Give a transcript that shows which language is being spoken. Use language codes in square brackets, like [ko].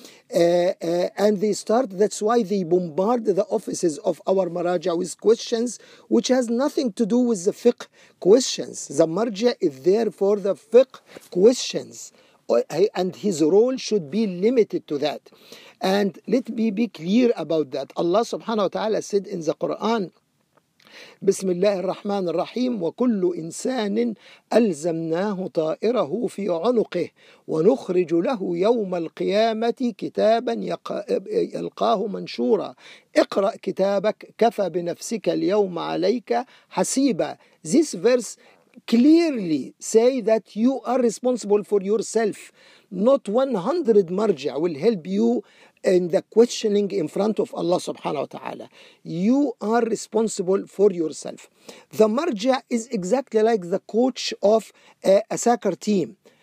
[en] And they start, that's why they bombard the offices of our maraja with questions which has nothing to do with the fiqh questions. The marja is there for the fiqh questions, and his role should be limited to that. And let me be clear about that. Allah subhanahu wa ta'ala said in the Quran, [ar] بسم الله الرحمن الرحيم وكل إنسان ألزمناه طائره في عنقه ونخرج له يوم القيامة كتابا يلقاه منشورا اقرأ كتابك كفى بنفسك اليوم عليك حسيبا. [en] This verse clearly say that you are responsible for yourself. Not 100 مرجع will help you in the questioning in front of Allah subhanahu wa ta'ala. You are responsible for yourself. The marja is exactly like the coach of a soccer team.